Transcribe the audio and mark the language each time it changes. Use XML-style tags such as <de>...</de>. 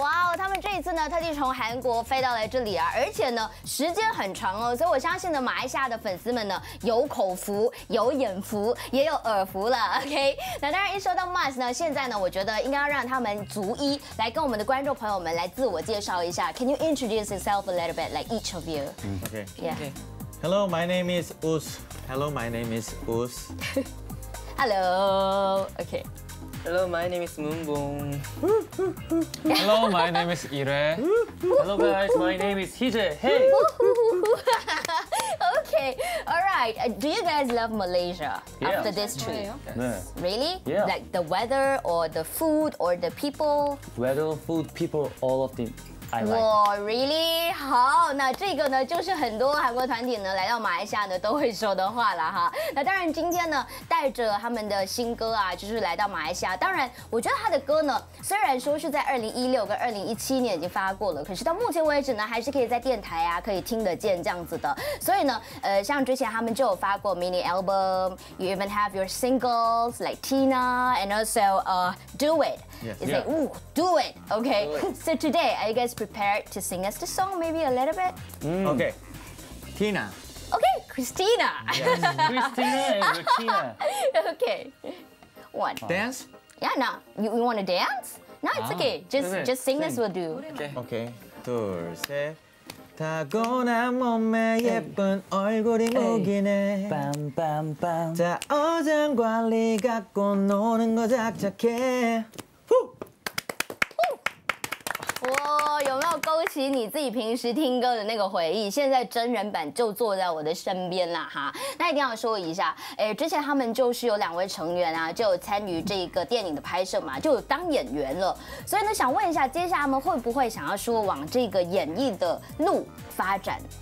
<zh>哇哦，他们这一次呢特地从韩国飞到来这里啊，而且呢时间很长哦，所以我相信呢马来西亚的粉丝们呢有口福、有眼福、也有耳福了。 OK， 那当然一说到 Musk 呢，现在呢我觉得应该要让他们逐一来跟我们的观众朋友们来自我介绍一下。</zh> <en>Can you introduce yourself a little bit like each of you？ OK yeah okay. Hello, my name is Us. Hello, my name is Us. Hello. Okay. Hello, my name is Moonboom. Hello, my name is Ire. Hello, guys. My name is Hije. Hey. Okay. All right. Do you guys love Malaysia after this trip? Yes. Really? Yeah. Like the weather or the food or the people? Weather, food, people, all of them. really</en> <zh>好，那这个呢，就是很多韩国团体呢来到马来西亚呢都会说的话了哈。那当然今天呢带着他们的新歌啊，就是来到马来西亚。当然，我觉得他的歌呢，虽然说是在2016跟2017年已经发过了，可是到目前为止呢，还是可以在电台啊可以听得见这样子的。所以呢，像之前他们就有发过</zh> <en>mini album， you even have your singles like Tina and also Do It。 Yes. You say, ooh, do it. Okay. So today, are you guys prepared to sing us the song? Maybe a little bit?、 Mm. Okay. Tina. Okay, Christina. Yes. Christina and Tina. Okay. One. Dance? Yeah, no. You want to dance? No, it's okay. Just sing this will do. Okay.</en> <ko>둘, 셋. 타고난 몸에 예쁜 얼굴이 목이네.</ko> <en>Bam, bam, bam.</en> <ko>자, 어장 관리 갖고 노는 거 작작해.</ko> <zh>哇，有没有勾起你自己平时听歌的那个回忆？现在真人版就坐在我的身边啦哈。那一定要说一下，之前他们就是有两位成员啊，就有参与这个电影的拍摄嘛，就有当演员了。所以呢，想问一下，接下来他们会不会想要说往这个演艺的路发展？</zh>